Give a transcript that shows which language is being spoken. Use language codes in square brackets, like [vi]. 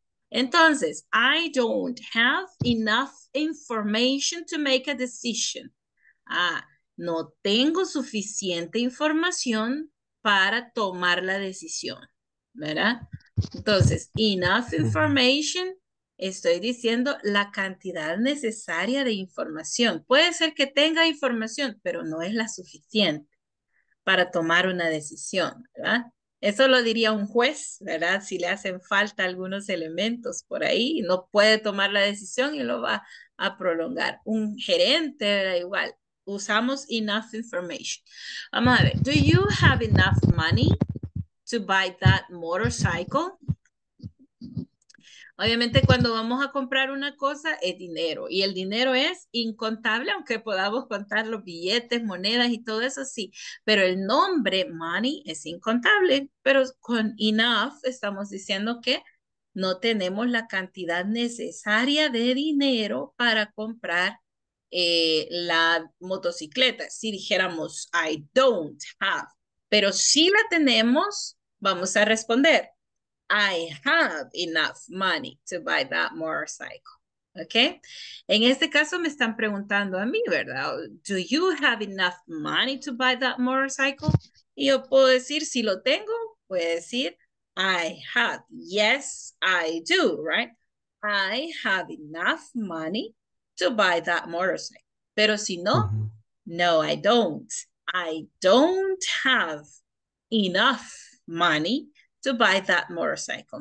[es] Entonces, [en] I don't have enough information to make a decision. [es] No tengo suficiente información para tomar la decisión, ¿verdad? Entonces, enough information, estoy diciendo la cantidad necesaria de información. Puede ser que tenga información, pero no es la suficiente para tomar una decisión, ¿verdad? Eso lo diría un juez, ¿verdad? Si le hacen falta algunos elementos por ahí, no puede tomar la decisión y lo va a prolongar. Un gerente, ¿verdad? Igual. Usamos enough information. Vamos a ver. [en] Do you have enough money to buy that motorcycle? [es] Obviamente cuando vamos a comprar una cosa es dinero. Y el dinero es incontable, aunque podamos contar los billetes, monedas y todo eso, sí. Pero el nombre money es incontable. Pero con enough estamos diciendo que no tenemos la cantidad necesaria de dinero para comprar la motocicleta. Si dijéramos [en] I don't have, [es] Pero si la tenemos, vamos a responder. [en] I have enough money to buy that motorcycle. Okay? [es] En este caso me están preguntando a mí, ¿verdad? [en] Do you have enough money to buy that motorcycle? [es] Y yo puedo decir, si lo tengo, puedo decir, [en] I have. Yes, I do, right? I have enough money to buy that motorcycle. [es] Pero si no, no, [en] I don't. I don't have enough money to buy that motorcycle.